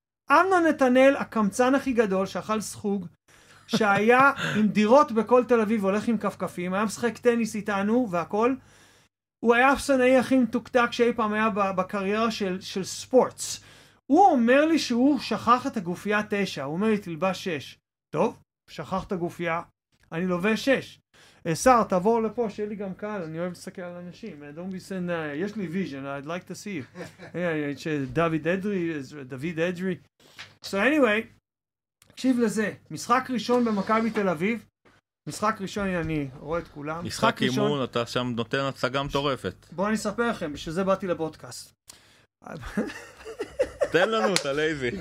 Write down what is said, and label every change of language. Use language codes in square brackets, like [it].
[he] אמנון נתנאל, הקמצן הכי גדול, שאכל סחוג, שהיה עם דירות בכל תל אביב, הולך עם קפקפים, היה משחק טניס איתנו והכל, הוא היה הפסנאי הכי מתוקתק שאי פעם היה בקריירה של ספורטס. הוא אומר לי שהוא שכח את הגופייה 9, הוא אומר לי תלבש 6. טוב, שכח את הגופייה, אני לובש 6. שר, תבוא לפה, שיהיה לי גם קהל, אני אוהב לסכל על אנשים. [en] Don't be saying, [he] יש לי [en] vision, I'd like to see you. [he] דוד אדרי, דוד אדרי. So anyway, תקשיב לזה, משחק ראשון במכבי תל אביב, משחק ראשון, אני רואה את כולם. משחק אימון, אתה שם נותן הצגה מטורפת. בואו אני אספר לכם, בשביל זה באתי לפודקאסט. תן לנו את הלייזי.